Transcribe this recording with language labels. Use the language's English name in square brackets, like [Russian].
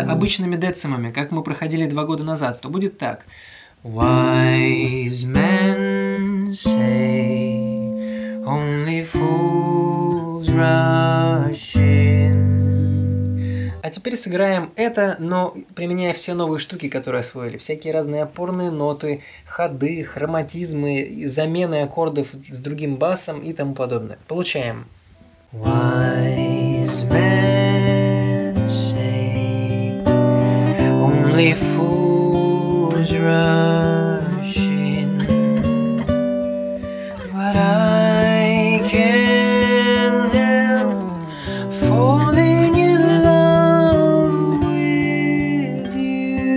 [Russian] это обычными децимами, как мы проходили 2 года назад, то будет так. [English] Wise men say only fools rush in. [Russian] А теперь сыграем это, но применяя все новые штуки, которые освоили. Всякие разные опорные ноты, ходы, хроматизмы, замены аккордов с другим басом и тому подобное. Получаем. [English] Wise men say only fools rush in, but I can't help falling in love with you.